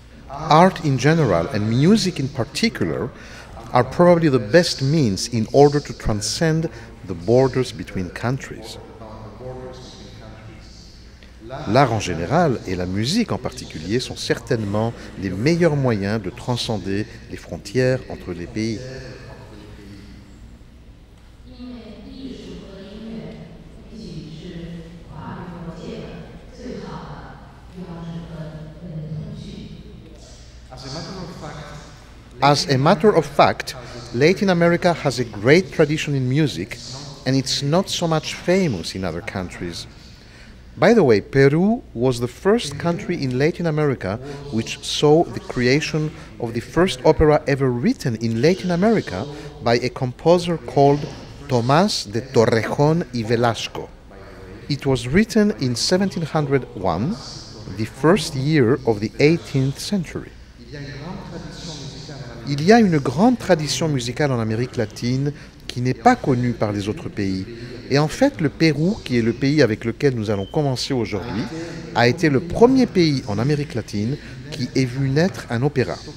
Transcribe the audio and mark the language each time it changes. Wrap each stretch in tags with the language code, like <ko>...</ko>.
<en>Art in general and music in particular are probably the best means in order to transcend the borders between countries.</en> <fr>L'art en général et la musique en particulier sont certainement les meilleurs moyens de transcender les frontières entre les pays.</fr> <en>As a matter of fact, Latin America has a great tradition in music, and it's not so much famous in other countries. By the way, Peru was the first country in Latin America which saw the creation of the first opera ever written in Latin America by a composer called Tomás de Torrejón y Velasco. It was written in 1701, the first year of the 18th century.</en> <fr>Il y a une grande tradition musicale en Amérique latine qui n'est pas connue par les autres pays. Et en fait, le Pérou, qui est le pays avec lequel nous allons commencer aujourd'hui, a été le premier pays en Amérique latine qui ait vu naître un opéra.</fr>